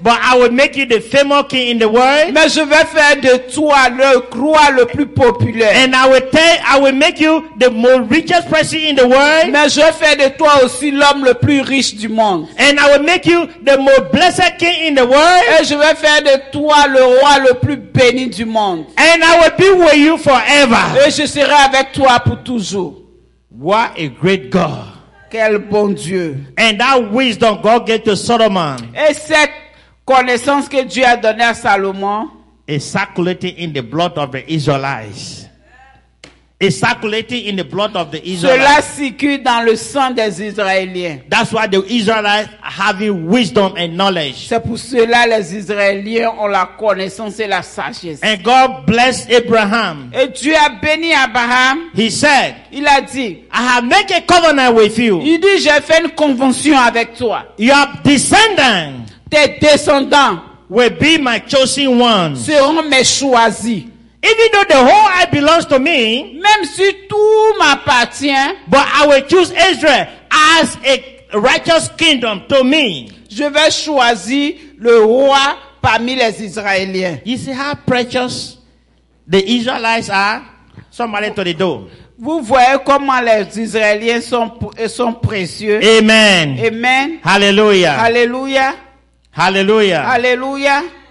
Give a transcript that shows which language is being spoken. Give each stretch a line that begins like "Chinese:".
English: But I will make you the famous king in the world.
French: Mais je vais faire de toi le roi le plus populaire.
English: And I will make you the most richest person in the world.
French: Mais je vais faire de toi aussi l'homme le plus riche du monde.
English: And I will make you the most blessed king in the world.
French: Et je vais faire de toi le roi le plus béni du monde.
English: And I will be with you forever.
French: Et je serai avec toi pour toujours.
English: What a great God.
French: Quel bon Dieu.
English: And that wisdom God gave to Solomon.
French: Et cette connaissance que Dieu a donnée à Salomon.
English: Is circulating in the blood of the Israelites. Is circulating in the blood of the Israelites.
French: Cela circule dans le sang des Israéliens.
English: That's why the Israelites having wisdom and knowledge.
French: C'est pour cela les Israéliens ont la connaissance et la sagesse.
English: And God blessed Abraham.
French: Et Dieu a béni Abraham.
English: He said.
French: Il a dit.
English: I have made a covenant with you.
French: Il dit, j'ai fait une convention avec toi.
English: Your descendants.
French: Tes descendants.
English: Will be my chosen ones.
French: Seront mes choisis.
English: Even though the whole earth belongs to me,
French: même si tout m'appartient,
English: but I will choose Israel as a righteous kingdom to me.
French: Je vais choisir le roi parmi les Israéliens.
English: You see how precious the Israelites are? Somebody to the door.
French: Vous voyez comment les Israéliens sont précieux.
English: Amen.
French: Amen.
English: Hallelujah.
French: Hallelujah.
English: Hallelujah.
French: Hallelujah.